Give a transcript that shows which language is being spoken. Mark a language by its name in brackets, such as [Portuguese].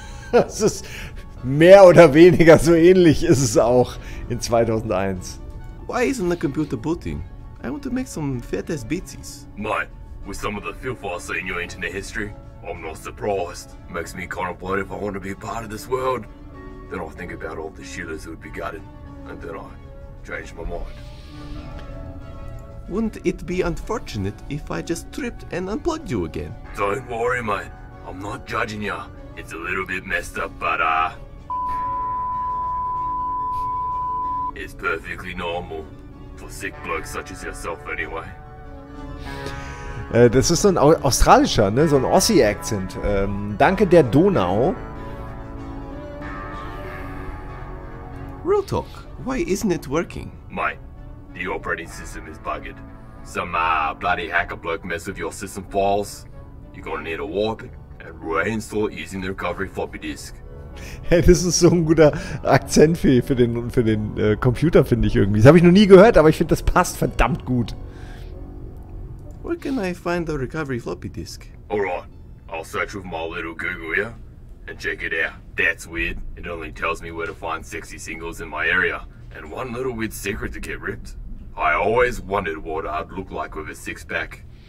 [German] Das ist mehr oder weniger so ähnlich ist es auch in 2001. [English] Why isn't the computer booting? I want to make some fat-ass bitsies. Mate, with some of the filth I see in your internet history, I'm not surprised. Makes me kind of bloody if I want to be a part of this world. Then I think about all the shillers who would be gutted, and then I change my mind. Wouldn't it be unfortunate if I just tripped and unplugged you again? Don't worry, mate. I'm not judging you. It's a little bit messed up, but it's perfectly normal for sick blokes such as yourself, anyway. [German] Das ist so ein australischer, ne? So ein Aussie-Akzent. Danke der Donau. [English] Real talk. Why isn't it working, mate? The operating system is buggered. Some bloody hacker bloke mess with your system files. You're gonna need to warp it and reinstall it using the recovery floppy disk. [German] Hey, das ist so ein guter Akzent für den Computer, finde ich irgendwie. Das habe ich noch nie gehört, aber ich finde, das passt verdammt gut. [English] Where can I find the recovery floppy disk? Alright, I'll search with my little Google, yeah? And check it out. That's weird. It only tells me where to find sexy singles in my area. And one little weird secret to get ripped. I always wondered what I'd look like with a six-pack.